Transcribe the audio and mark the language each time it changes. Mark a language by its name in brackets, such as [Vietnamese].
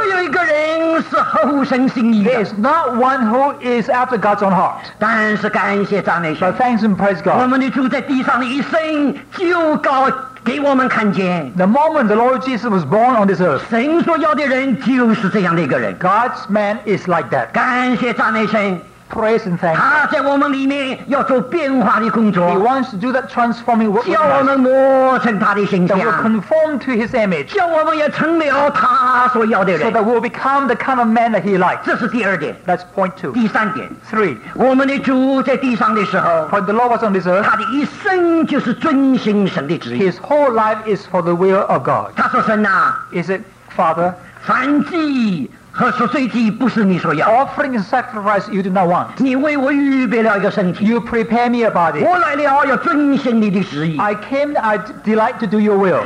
[Chinese] 没有一个人是合乎神心意的, [English] there is not one who is after God's own heart. [Chinese] 但是感谢赞美神, [English] but thanks and praise God. [Chinese] 我们的主在地上的一生就告 [English] the moment the Lord Jesus was born on this earth, [Chinese] 神所要的人就是这样的一个人, [English] God's man is like that. [Chinese] 感谢赞美神, [English] praise and thanks. [Chinese] 他在我们里面要做变化的工作, [English] he wants to do that transforming work, [Chinese] 叫我们磨成他的形象, [English] that will conform to his image, [Chinese] 叫我们也成了他所要的人, [English] so that we'll become the kind of man that he likes. [Chinese] 这是第二点, [English] that's point two. [Chinese] 第三点, [English] three, [Chinese] 我们的主在地上的时候, [English] when the Lord was on this earth, [Chinese] 他的一生就是遵行神的旨意, [English] his whole life is for the will of God. [Chinese] 他说神啊, [English] is it Father, [Chinese] 凡祭 [English] offering and sacrifice you do not want. [Chinese] 你为我预备了一个身体, [English] you prepare me about it. [Chinese] 我来了要遵行你的旨意, [English] I came, I delight to do your will.